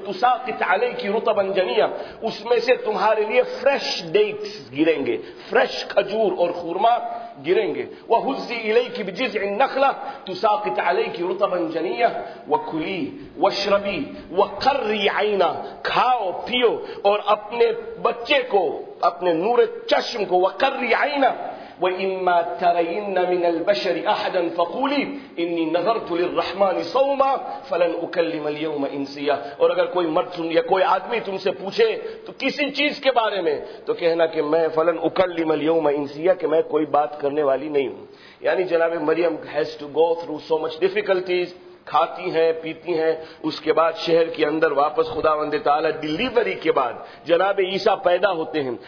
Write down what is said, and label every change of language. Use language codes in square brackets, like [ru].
[ar] تُسَاقِطْ عَلَيْكِ رُطَبًا جَنِيًّا [ur] اس میں سے تمہارے لیے [en] fresh dates [ur] گریں گے، فریش کھجور اور خورما گریں گے. [ar] وَحُزِّي إِلَيْكِ بِجِذْعِ النَّخْلَةِ تُسَاقِطْ عَلَيْكِ رُطَبًا جَنِيًّا وَكُلِي وَاشْرَبِي وَقَرِّي عَيْنًا. [ur] کھاؤ پیو اور اپنے بچے کو، اپنے نور چشم کو. وقر عینا [ar] واما ترين من البشر احدا فقولي اني نظرت للرحمن صوما فلن اكلم اليوم انسيا. [ur] اور اگر کوئی مرد سن یا کوئی آدمی تم سے پوچھے تو کسی چیز کے بارے میں، تو کہنا کہ میں [ar] فلن اكلم اليوم انسيا، [ur] کہ میں کوئی بات کرنے والی نہیں ہوں. یعنی جناب [en] Maryam has to go through so much difficulties. [ur] کھاتی ہیں پیتی ہیں، اس کے بعد شہر کے اندر واپس خداوند تعالی ڈلیوری کے بعد جناب عیسیٰ پیدا ہوتے ہیں.